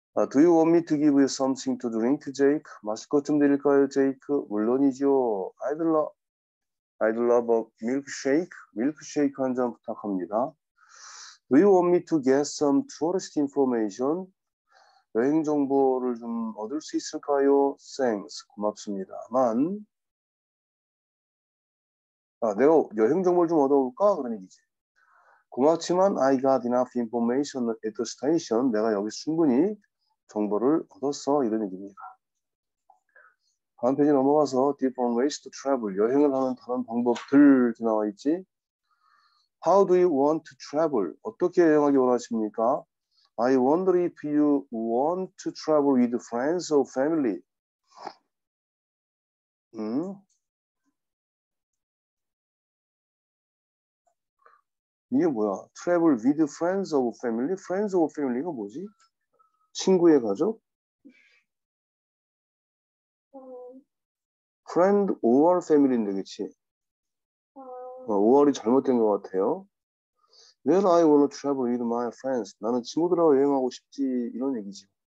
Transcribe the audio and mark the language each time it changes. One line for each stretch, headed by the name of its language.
English: Do you want me to give you something to drink, Jake?
Korean: 마실 것좀 드릴까요, 제이크? 물론이죠.
English: I'd love a milkshake.
Korean: 밀크쉐이크 한잔 부탁합니다.
English: Do you want me to get some tourist information?
Korean: 여행 정보를 좀 얻을 수 있을까요?
English: Thanks.
Korean: 고맙습니다만. 아, 내가 여행 정보를 좀 얻어볼까? 그런 얘기지. 고맙지만,
English: I got enough information at the station.
Korean: 내가 여기 충분히 정보를 얻었어. 이런 얘기입니다. 다음 페이지 넘어가서,
English: different ways to travel.
Korean: 여행을 하는 다른 방법들 나와 있지.
English: How do you want to travel?
Korean: 어떻게 여행하기 원하십니까?
English: I wonder if you want to travel with friends or family.
Korean: 이게 뭐야?
English: Travel with friends or family? Friends or family
Korean: 이거 뭐지? 친구의 가족?
English: Friend or family인데,
Korean: 그치? or이 잘못된 것 같아요.
English: Well, I want to travel with my friends.
Korean: 나는 친구들하고 여행하고 싶지. 이런 얘기지.